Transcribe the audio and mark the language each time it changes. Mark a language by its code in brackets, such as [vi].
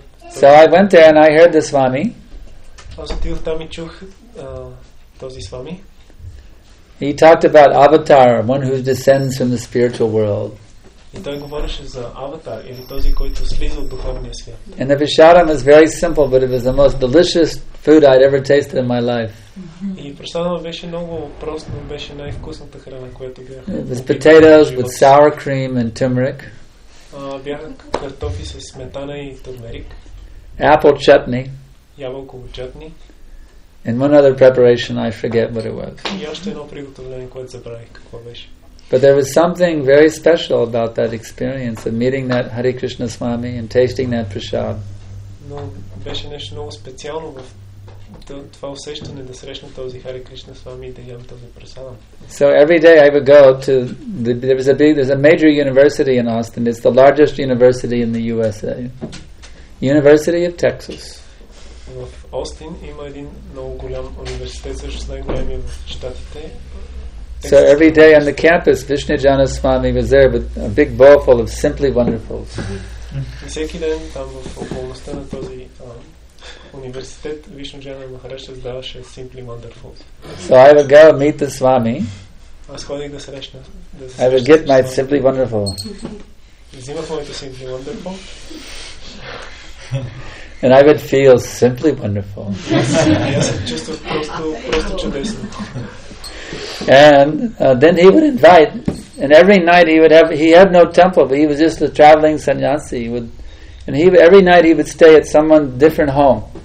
[en] So I went there and I heard the Swami. [bg] Аз отидох там и чух този Свами. [en] He talked about avatar, one who descends from the spiritual world. [bg] И той говореше за аватар или този, който слиза от духовния свят. [en] And the Visharam is very simple, but it was the most delicious food I'd ever tasted in my life. [bg] И Прасадама беше много прост, но беше най-вкусната храна, която бях. [en] It was potatoes with sour cream and turmeric. [bg] Бяха картофи с сметана и турмерик. [en] Apple chutney. [bg] Ябълково чатни. [en] And one other preparation, I forget what it was. [bg] И още едно приготовление, което забравих какво беше. [en] But there was something very special about that experience of meeting that Hare Krishna Swami and tasting that prasad. [bg] Но беше нещо много специално в това усещане да срещна този Хари Кришна с вами и да имам този прасадам. [en] So every day I would go to there's a major university in Austin. It's the largest university in the USA. University of Texas. [bg] В Austin има един много голям университет, също най-големия в щатите. [en] So every day on the campus, Vishnujana Swami was there with a big bowl full of simply wonderfuls. [bg] Всеки ден там в околността на този университет Вишнуджана Махараша даваше simply wonderfuls. [en] So I would go and meet the Swami. [bg] Аз ходих да срещна. [en] I would get my simply wonderful. [bg] Взимах моето simply wonderful. [en] And I would feel simply wonderful. [bg] Аз се чувствах просто чудесно. [en] And then he would invite, and every night he would have, he had no temple, but he was just a traveling sannyasi. Every night he would stay at someone different home.